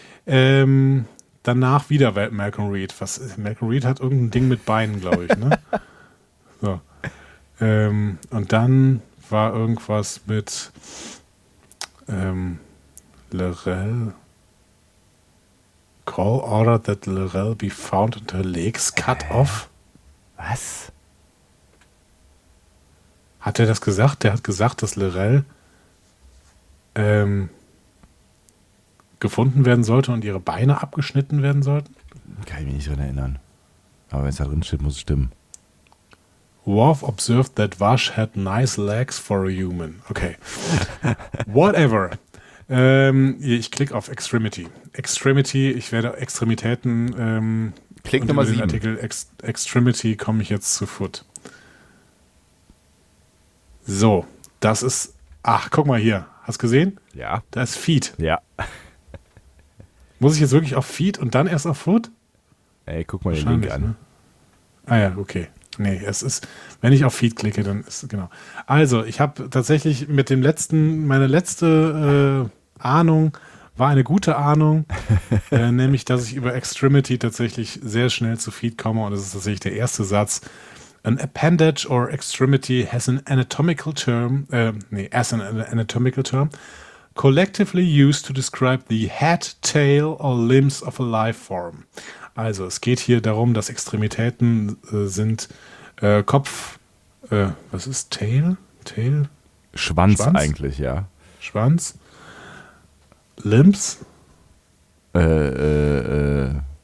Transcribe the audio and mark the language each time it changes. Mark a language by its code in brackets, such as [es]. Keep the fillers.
[de] Ähm, danach wieder Wel- Malcolm Reed. Was, ist- Malcolm Reed hat irgendein Ding mit Beinen, glaube ich. Ne? so. ähm, und dann war irgendwas mit ähm, Lorel. [en] Call order that Lorel be found and her legs cut off. [de] Was? Hat er das gesagt? Der hat gesagt, dass Lorel ähm, gefunden werden sollte und ihre Beine abgeschnitten werden sollten? Kann ich mich nicht dran erinnern. Aber wenn es da drin steht, muss es stimmen. [en] Worf observed that Vash had nice legs for a human. [de] Okay. Whatever. Ähm, ich klicke auf Extremity. Extremity, ich werde Extremitäten. Ähm, Klick und Nummer über den sieben. Artikel Ex Extremity komme ich jetzt zu Foot. So, das ist. Ach, guck mal hier. Hast gesehen? Ja. Da ist Feed. Ja. Muss ich jetzt wirklich auf Feed und dann erst auf Foot? Ey, guck mal den Link an. ne? Ah ja, okay. Nee, es ist, wenn ich auf Feed klicke, dann ist genau. Also, ich habe tatsächlich mit dem letzten, meine letzte äh, Ahnung war eine gute Ahnung, äh, nämlich, dass ich über Extremity tatsächlich sehr schnell zu Feed komme und das ist tatsächlich der erste Satz. [en] An appendage or extremity has an anatomical term, äh, nee, as an anatomical term, collectively used to describe the head, tail or limbs of a life form. [de] Also es geht hier darum, dass Extremitäten äh, sind äh, Kopf, äh, was ist Tail? Tail? Schwanz, Schwanz? eigentlich, ja. Schwanz? Limbs? Äh, äh, äh.